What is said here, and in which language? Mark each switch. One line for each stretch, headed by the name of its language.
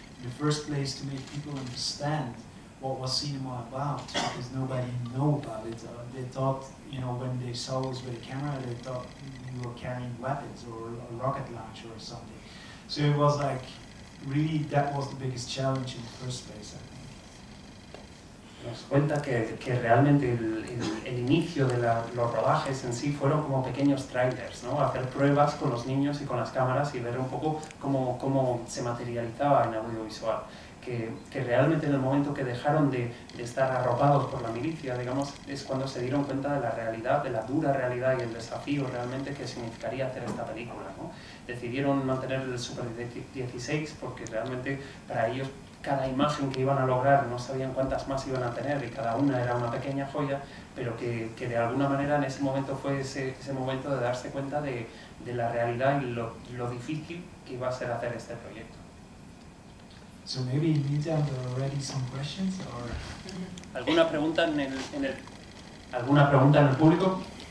English: In the first place, to make people understand what was cinema about, because nobody knew about it. They thought, you know, when they saw us with a camera, they thought we were carrying weapons or a rocket launcher or something. So it was like, really, that was the biggest challenge in the first place, I think.
Spanish: Nos cuenta que realmente el inicio de los rodajes en sí fueron como pequeños trailers, ¿no? Hacer pruebas con los niños y con las cámaras y ver un poco cómo se materializaba en audiovisual. Que realmente en el momento que dejaron de estar arropados por la milicia, digamos, es cuando se dieron cuenta de la realidad, de la dura realidad y el desafío realmente que significaría hacer esta película, ¿no? Decidieron mantener el Super 16 porque realmente para ellos cada imagen que iban a lograr no sabían cuántas más iban a tener y cada una era una pequeña joya, pero que de alguna manera en ese momento fue ese momento de darse cuenta de la realidad y lo difícil que iba a ser hacer este proyecto.
English: So maybe in the meantime there are already some questions or
Spanish: alguna pregunta en el alguna pregunta en el público?